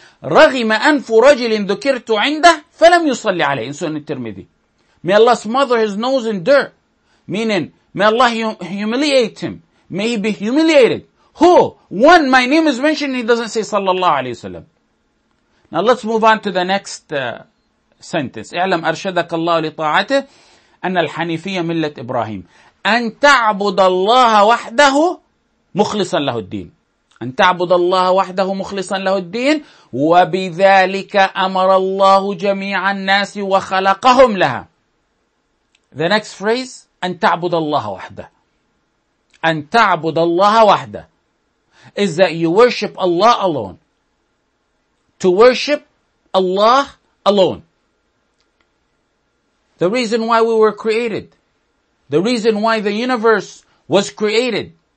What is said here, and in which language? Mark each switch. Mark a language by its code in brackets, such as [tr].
[ar] رَغِمَ أَنْفُ رَجِلٍ ذُكِرْتُ عِنْدَهِ فَلَمْ يُصَلِّ عَلَيْهِ. [en] In Sunan al-Tirmidhi. May Allah smother his nose in dirt. Meaning, may Allah humiliate him. May he be humiliated. Who? One, my name is mentioned, he doesn't say sallallahu alayhi wa sallam. Now let's move on to the next sentence. [ar] اعلم أرشدك الله لطاعته أن الحنيفية ملة إبراهيم. أن تعبد الله وحده مخلصا له الدين. أن تعبد الله وحده مخلصا له الدين. وبذلك أمر الله جميع الناس وخلقهم لها. [en] The next phrase, [ar] أن تعبد الله وحده. أن تعبد الله وحده. [en] Is that you worship Allah alone. To worship Allah alone. The reason why we were created. The reason why the universe was created.